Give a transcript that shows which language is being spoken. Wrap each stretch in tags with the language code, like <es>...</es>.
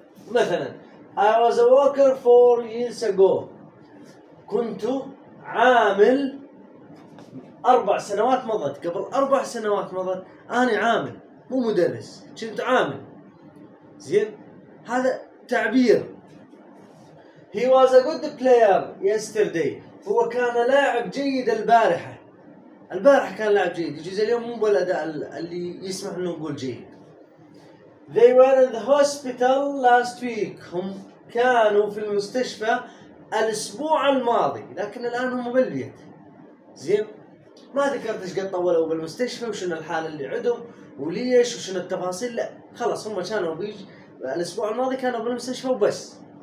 <ar>مثلا</ar> <en>I was a worker 4 years ago،</en> <ar>كنت عامل 4 سنوات مضت، قبل 4 سنوات مضت انا عامل مو مدرس، كنت عامل. زين هذا تعبير.</ar> <en>He was a good player yesterday،</en> <ar>هو كان لاعب جيد البارحة. البارحة كان لاعب جيد، يجوز اليوم مو بالأداء اللي يسمح انه نقول جيد.</ar> <en>They were in the hospital last week،</en> <ar>هم كانوا في المستشفى الأسبوع الماضي، لكن الآن هم بالبيت. زين ما ذكرت ايش قد طولوا بالمستشفى وشنو الحالة اللي عندهم وليش وشنو التفاصيل، لا خلاص هم كانوا الأسبوع الماضي كانوا بالمستشفى وبس.</ar>